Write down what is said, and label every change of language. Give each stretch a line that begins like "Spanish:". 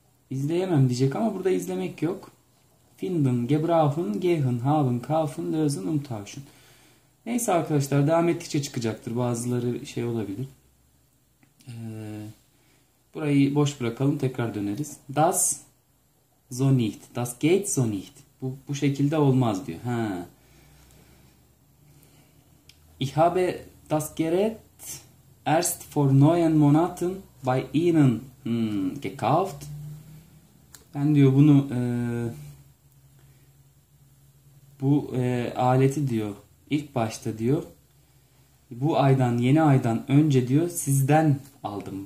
Turkish: İzleyemem diyecek ama burada izlemek yok.
German: Finden, gebrauchen, gehen, haben, kaufen, lösen, umtauschen.
Turkish: Neyse arkadaşlar, devam ettikçe çıkacaktır. Bazıları şey olabilir. Burayı boş bırakalım, tekrar döneriz.
German: Das so nicht. Das geht so nicht.
Turkish: Bu şekilde olmaz diyor.
German: Ha. Ich habe das Gerät erst vor 9 Monaten bei Ihnen gekauft.
Turkish: Ben diyor bunu bu aleti diyor İlk başta diyor, bu aydan, yeni aydan önce diyor, sizden aldım.